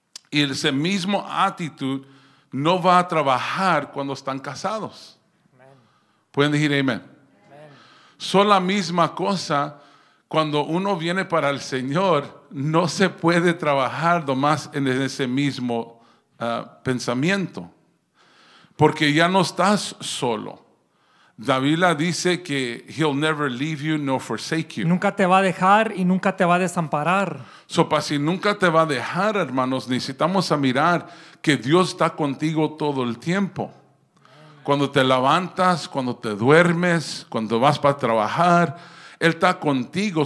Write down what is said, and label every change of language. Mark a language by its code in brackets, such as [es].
[es] Y ese mismo actitud no va a trabajar cuando están casados. Pueden decir amén. Son la misma cosa. Cuando uno viene para el Señor, no se puede trabajar nomás en ese mismo pensamiento. Porque ya no estás solo. La Biblia dice que [en] he'll never leave you nor forsake you. [es] Nunca te va a dejar y nunca te va a desamparar. Sopa, si nunca te va a dejar, hermanos, necesitamos a mirar que Dios está contigo todo el tiempo. Cuando te levantas, cuando te duermes, cuando vas para trabajar, Él está contigo.